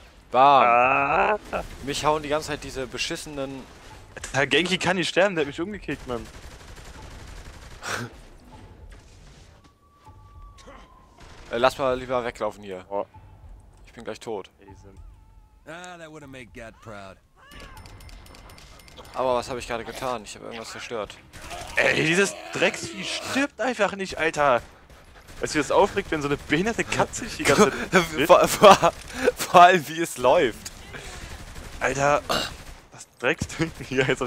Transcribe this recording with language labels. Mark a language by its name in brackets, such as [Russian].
[German] Bam. Ah. Mich hauen die ganze Zeit diese beschissenen... Der Genki kann nicht sterben, der hat mich umgekickt, Mann. Lass mal lieber weglaufen hier. Oh. Ich bin gleich tot. [English] Ah, that would've made Gad proud. [German] Aber was habe ich gerade getan? Ich habe irgendwas zerstört. Ey, dieses Drecksvieh stirbt einfach nicht, Alter! Weißt du, wie das aufregt, wenn so eine behinderte Katze sich die ganze Zeit... Vor allem, wie es läuft. Alter, das Drecksvieh hier jetzt...